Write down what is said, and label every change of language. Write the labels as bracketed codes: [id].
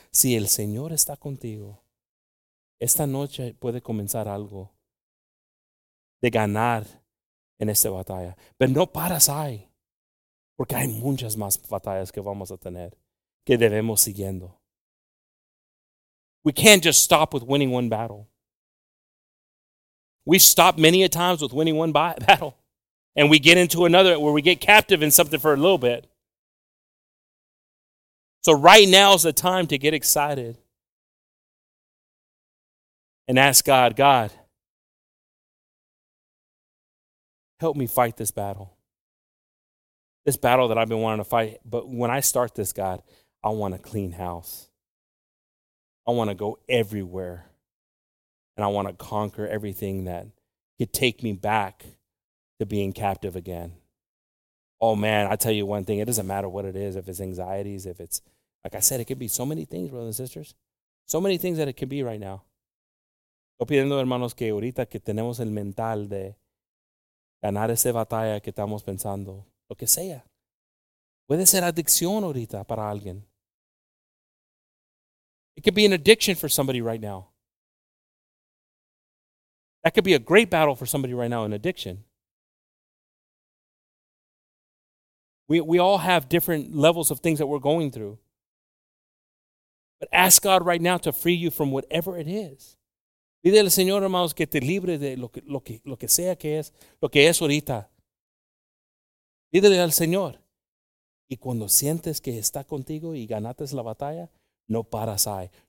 [es] Si el Señor está contigo, esta noche puede comenzar algo de ganar en esta batalla. Pero no paras ahí, porque hay muchas más batallas que vamos a tener, que debemos siguiendo. [en] We can't just stop with winning one battle. We stop many a times with winning one battle. And we get into another where we get captive in something for a little bit. So right now is the time to get excited and ask God, God, help me fight this battle. This battle that I've been wanting to fight. But when I start this, God, I want a clean house. I want to go everywhere. And I want to conquer everything that could take me back to being captive again. Oh man, I tell you one thing, it doesn't matter what it is, if it's anxieties, if it's, like I said, it could be so many things, brothers and sisters. So many things that it can be right now. [es] Estoy pidiendo, hermanos, que ahorita que tenemos el mental de ganar esa batalla que estamos pensando, lo que sea. Puede ser adicción ahorita para alguien. [en] It could be an addiction for somebody right now. That could be a great battle for somebody right now, an addiction. We all have different levels of things that we're going through. But ask God right now to free you from whatever it is. [es] Pide al Señor, hermanos, que te libre de lo que sea que es, lo que es ahorita. Pídele al Señor. Y cuando sientes que está contigo y ganaste la batalla, no paras ahí.